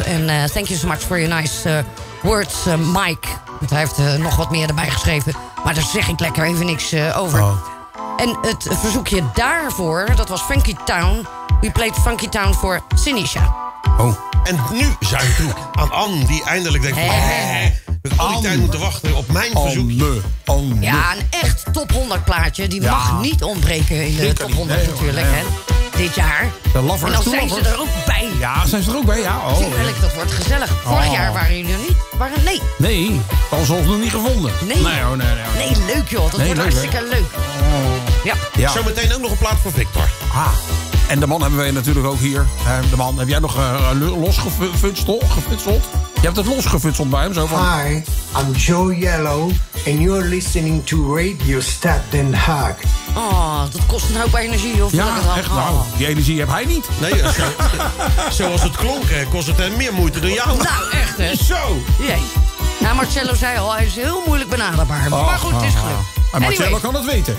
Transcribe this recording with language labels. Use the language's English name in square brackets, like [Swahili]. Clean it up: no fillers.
[English] And thank you so much for your nice words, Mike. [Dutch] Want hij heeft nog wat meer erbij geschreven, maar daar zeg ik lekker even niks over. Oh. En het verzoekje daarvoor, dat was Funky Town. [English] We played Funky Town voor Sinisha. Oh. [Dutch] En nu zijn we toe aan Anne, die eindelijk denkt van... Ik heb al die tijd moeten wachten op mijn verzoekje. Anne. Ja, een echt top 100 plaatje. Die mag niet ontbreken in de top 100 natuurlijk, hè. Dit jaar. De Lovers. En dan zijn ze er ook bij. Ja, zijn ze er ook bij, ja. Oh, zekerlijk, dat wordt gezellig. Vorig jaar waren jullie er niet. Waren, nee. Nee, als ze ons nog niet gevonden. Nee. Nee, oh, nee, nee, nee. Nee, leuk joh. Dat wordt leuk, hartstikke leuk. Oh. Ja. Ja. Zometeen ook nog een plaat voor Victor. Ah. En de man hebben wij natuurlijk ook hier. De man, heb jij nog losgefutseld? Je hebt het losgefutseld bij hem zo van. [English] Hi, I'm Joe Yellow and you're listening to Radio Stad Den Haag. [Dutch] Oh, dat kost een hoop energie, of ja, echt nou. Die energie heb hij niet. Nee, zoals het klonk, kost het hem meer moeite dan jou. Nou, echt hè? Zo! Jee. Nou, Marcello zei al, hij is heel moeilijk benaderbaar. Oh, maar goed, het is gelukt. En Marcello kan het weten.